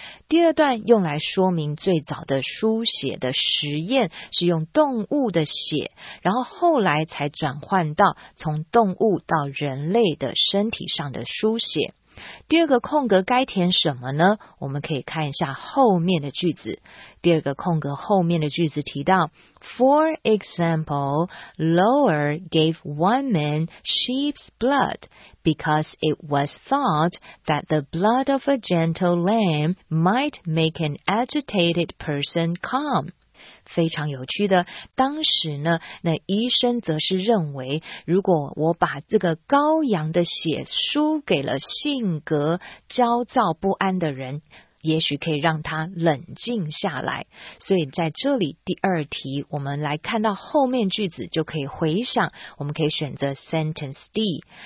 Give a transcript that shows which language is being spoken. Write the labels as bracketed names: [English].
[Chinese] 第二段用来说明最早的书写的实验是用动物的血，然后后来才转换到从动物到人类的身体上的书写。第二个空格该填什么呢？我们可以看一下后面的句子。第二个空格后面的句子提到 [English] For example, Lower gave one man sheep's blood because it was thought that the blood of a gentle lamb might make an agitated person calm. [Chinese] 非常有趣的，当时呢，那医生则是认为，如果我把这个羔羊的血输给了性格焦躁不安的人，也许可以让他冷静下来。所以在这里第二题，我们来看到后面句子就可以回想，我们可以选择 Sentence D。